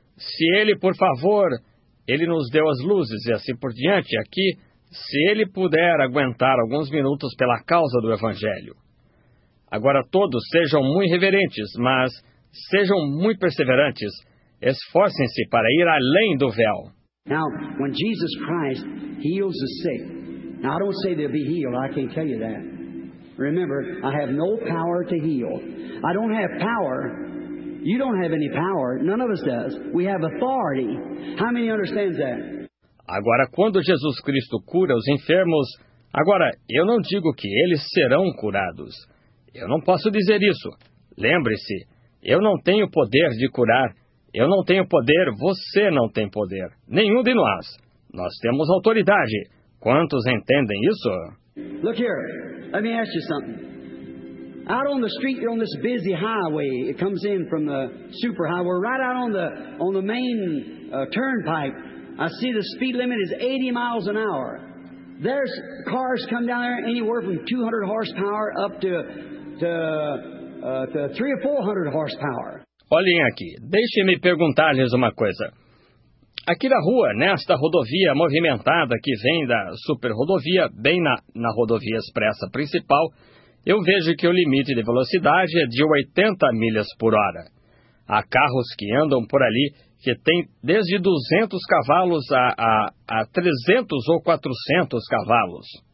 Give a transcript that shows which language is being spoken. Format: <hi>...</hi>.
<pt>Se ele, por favor... Ele nos deu as luzes e assim por diante aqui, se ele puder aguentar alguns minutos pela causa do Evangelho. Agora todos sejam muito reverentes, mas sejam muito perseverantes. Esforcem-se para ir além do véu.</pt> <en>Now, when Jesus Christ heals the sick, now I don't say they'll be healed, I can't tell you that. Remember, I have no power to heal. I don't have power. You don't have any power. None of us does. We have authority. How many understands that?</en> <pt>Agora, quando Jesus Cristo cura os enfermos, agora, eu não digo que eles serão curados. Eu não posso dizer isso. Lembre-se, eu não tenho poder de curar. Eu não tenho poder, você não tem poder. Nenhum de nós. Nós temos autoridade. Quantos entendem isso?</pt> <en>Look here. Let me ask you something. Out on the street, you're on this busy highway. It comes in from the super highway. Right out on the main turnpike, I see the speed limit is 80 miles an hour. There's cars come down there anywhere from 200 horsepower up to 300 or 400 horsepower.</en> <pt>Olhem aqui. Deixem-me perguntar-lhes uma coisa. Aqui na rua, nesta rodovia movimentada que vem da super rodovia, bem na rodovia expressa principal... Eu vejo que o limite de velocidade é de 80 milhas por hora. Há carros que andam por ali que têm desde 200 cavalos a 300 ou 400 cavalos.</pt>